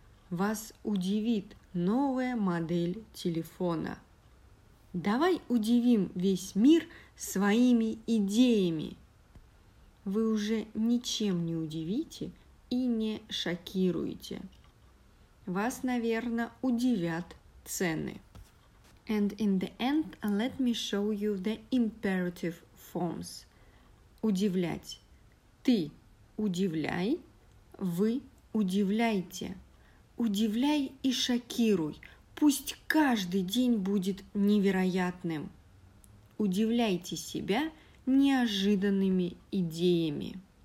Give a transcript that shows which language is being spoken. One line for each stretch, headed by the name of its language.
Russian: вас удивит новая модель телефона. Давай удивим весь мир своими идеями. Вы уже ничем не удивите и не шокируете. Вас, наверное, удивят цены.
English: And in the end, let me show you the imperative forms.
Russian: Удивлять. Ты удивляй, вы удивляйте. Удивляй и шокируй. Пусть каждый день будет невероятным. Удивляйте себя неожиданными идеями.